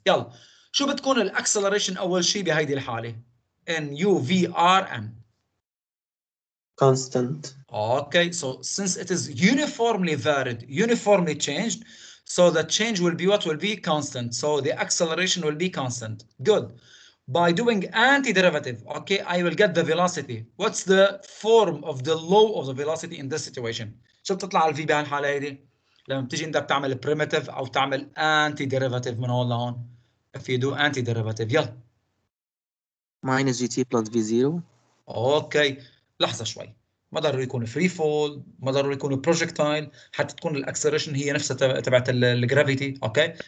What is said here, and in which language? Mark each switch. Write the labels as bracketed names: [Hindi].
[Arabic] يلا, شو بتكون الـ acceleration أول شيء بهيدي الحالة؟ N, U, V, R, M. [English] Constant. Okay, so since it is uniformly varied, uniformly changed, so the change will be what? Will be constant. So the acceleration will be constant. Good. By doing antiderivative, okay, I will get the velocity. What's the form of the law of the velocity in this situation? [Arabic] شو بتطلع الفي بهالحالة هيدي؟ لما بتيجي انت بتعمل primitive أو بتعمل antiderivative من هون لهون. [English] If you do antiderivative, يلا. Minus Gt plus V0. [Arabic] Okay, لحظة شوي. ما ضروري يكون free fall, ما ضروري يكون projectile, حتى تكون الـ acceleration هي نفسها تبعت الـ gravity, okay?